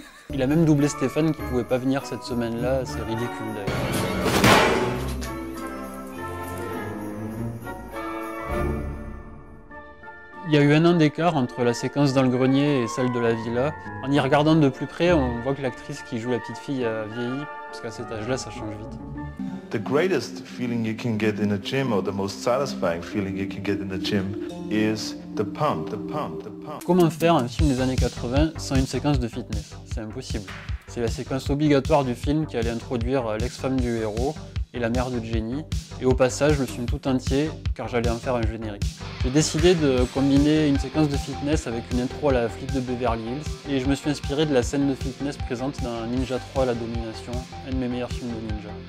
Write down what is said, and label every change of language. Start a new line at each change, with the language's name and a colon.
French: Il a même doublé Stéphane qui pouvait pas venir cette semaine-là, c'est ridicule d'ailleurs. Il y a eu un an d'écart entre la séquence dans le grenier et celle de la villa. En y regardant de plus près, on voit que l'actrice qui joue la petite fille a vieilli, parce qu'à cet âge-là, ça change vite.
English: The greatest feeling you can get in a gym, or the most satisfying feeling you can get in a gym, is the pump, the pump, the pump.
French: Comment faire un film des années 80 sans une séquence de fitness? C'est impossible. C'est la séquence obligatoire du film qui allait introduire l'ex-femme du héros et la mère de Jenny, et au passage le film tout entier, car j'allais en faire un générique. J'ai décidé de combiner une séquence de fitness avec une intro à la flic de Beverly Hills, et je me suis inspiré de la scène de fitness présente dans Ninja 3 La Domination, un de mes meilleurs films de ninja.